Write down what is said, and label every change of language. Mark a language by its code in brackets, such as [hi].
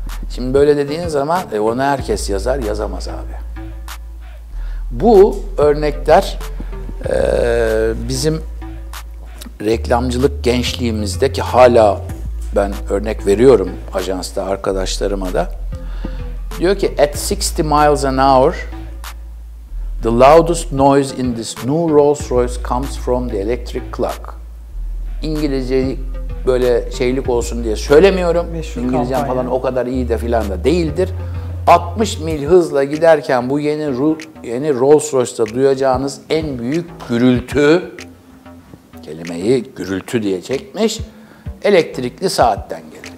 [tr] Şimdi böyle dediğin zaman onu herkes yazar yazamaz abi. Bu örnekler bizim reklamcılık gençliğimizde ki hala ben örnek veriyorum ajansta arkadaşlarıma da. Diyor ki [en] at 60 miles an hour the loudest noise in this new Rolls Royce comes from the electric clock. [tr] İngilizce böyle şeylik olsun diye söylemiyorum. İngilizcem falan o kadar iyi de filan da değildir. 60 mil hızla giderken bu yeni Rolls Royce'da duyacağınız en büyük gürültü, kelimeyi gürültü diye çekmiş, elektrikli saatten gelir.